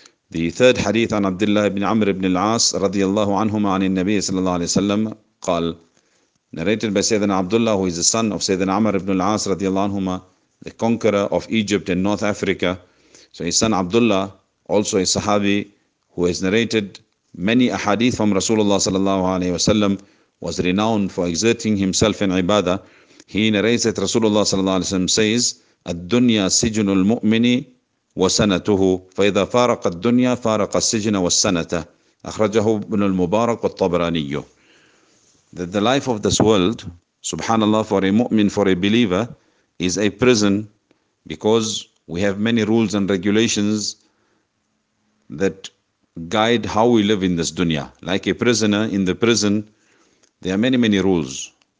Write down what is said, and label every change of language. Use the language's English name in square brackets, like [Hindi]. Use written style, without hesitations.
[English] The third hadith on Abdullah ibn Amr ibn al-As radiyallahu anhuma an al-Nabi sallallahu alayhi wa sallam, qal, narrated by Sayyidina Abdullah, who is the son of Sayyidina Amr ibn al-As radiyallahu anhuma, the conqueror of Egypt and North Africa. So his son Abdullah, also a Sahabi, who has narrated many ahadith from Rasulullah sallallahu alayhi wa sallam, was renowned for exerting himself in ibadah. He narrates that Rasulullah sallallahu alayhi wa sallam says, [Arabic] الدُّنْيَا سِجْنُ الْمُؤْمِنِ وَسَنَتُهُ فَإِذَا فَارَقَ الدُّنْيَا فَارَقَ السِّجْنَ وَالسَّنَةَ أَخْرَجَهُ ابْنُ الْمُبَارَكُ وَالطَّبْرَانِيُّ. [English] That the life of this world, subhanAllah, for a mu'min, for a believer, is a prison, because we have many rules and regulations that guide how we live in this dunya. Like a prisoner in the prison, there are many, many rules.